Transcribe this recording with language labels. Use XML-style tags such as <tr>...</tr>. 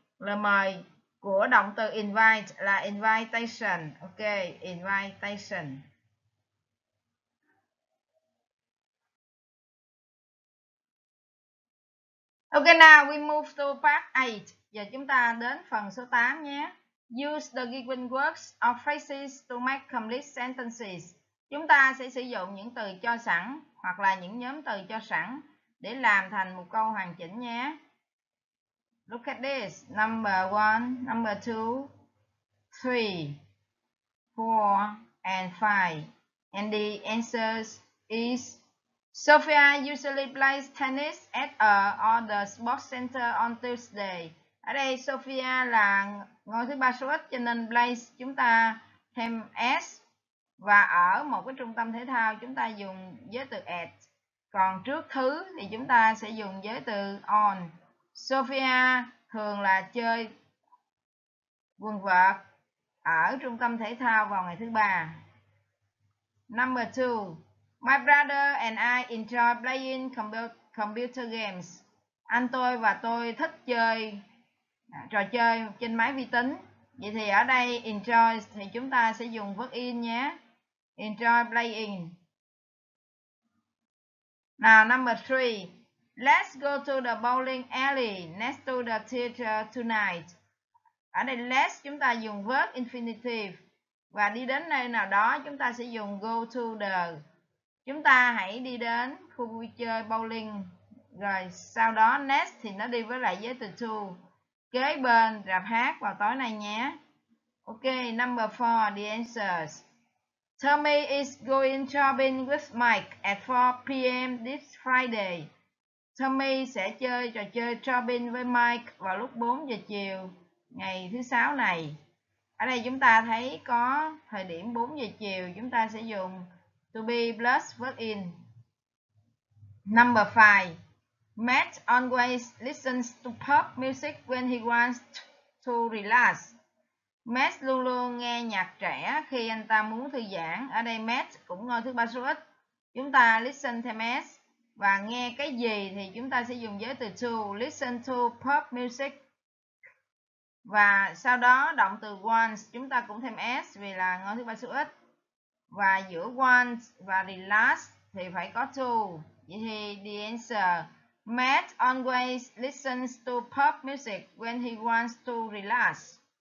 <vi>Lời mời của động từ invite là invitation.</vi> <en>Ok, invitation. Ok, now we move to part 8.</en> <vi>Giờ chúng ta đến phần số 8 nhé.</vi> <en>Use the given words or phrases to make complete sentences.</en> <vi>Chúng ta sẽ sử dụng những từ cho sẵn hoặc là những nhóm từ cho sẵn để làm thành một câu hoàn chỉnh nhé.</vi> <en>Look at this. Number 1, number 2, 3, 4, and 5. And the answer is Sophia usually plays tennis at the sports center on Tuesday.</en> <vi>Ở đây Sophia là ngôi thứ ba số ít cho nên plays chúng ta thêm s và ở một cái trung tâm thể thao chúng ta dùng giới từ at. Còn trước thứ thì chúng ta sẽ dùng giới từ on. Sophia thường là chơi quần vợt ở trung tâm thể thao vào ngày thứ ba.</vi> <en>Number 2. My brother and I enjoy playing computer games.</en> <vi>Anh tôi và tôi thích chơi trò chơi trên máy vi tính. Vậy thì ở đây enjoy thì chúng ta sẽ dùng verb in nhé.</vi> <en>Enjoy playing. Now number 3. Let's go to the bowling alley next to the theater tonight.</en> <vi>Ở đây let's chúng ta dùng verb infinitive. Và đi đến nơi nào đó chúng ta sẽ dùng go to the. Chúng ta hãy đi đến khu vui chơi bowling Rồi sau đó next thì nó đi với lại với từ to. Kế bên rạp hát vào tối nay nhé.</vi> <en>Ok, number 4, the answers. Tommy is going shopping with Mike at 4 p.m. this Friday.</en> <vi>Tommy sẽ chơi trò chơi shopping với Mike vào lúc 4 giờ chiều ngày thứ sáu này. Ở đây chúng ta thấy có thời điểm 4 giờ chiều, chúng ta sẽ dùng to be plus verb in.</vi> <en>Number 5. Matt always listens to pop music when he wants to relax.</en> <vi>Matt luôn luôn nghe nhạc trẻ khi anh ta muốn thư giãn. Ở đây Matt cũng ngôi thứ ba số ít. Chúng ta listen thêm Matt. Và nghe cái gì thì chúng ta sẽ dùng giới từ to.</vi> <en>Listen to pop music.</en> <vi>Và sau đó động từ wants chúng ta cũng thêm s vì là ngôi thứ ba số ít. Và giữa wants và relax thì phải có to. Vậy thì</vi> <en>the answer, Matt always listens to pop music when he wants to relax.</en>